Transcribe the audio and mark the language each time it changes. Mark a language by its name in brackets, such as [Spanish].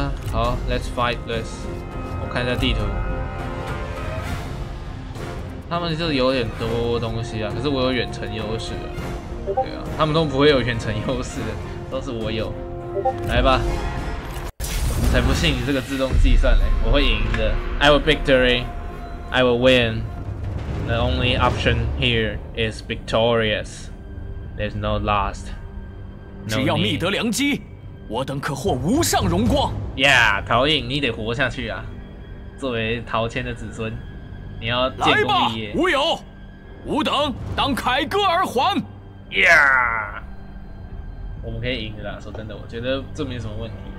[Chinese] 好 ， [English] Let's fight this。 [Chinese] 我看一下地图，他们是有点多东西啊，可是我有远程优势的，对啊，他们都不会有远程优势的，都是我有，来吧。才不信你这个自动计算嘞！我会赢的 [English] ，I will victory, I will win. The only option here is victorious. There's no lost. [Chinese] No 只要觅得良机，我等可获无上荣光。 Yeah， 陶印，你得活下去啊！作为陶谦的子孙，你要建功立业。吾有，吾等当凯歌而还。 Yeah， 我们可以赢的啦。说真的，我觉得这没什么问题。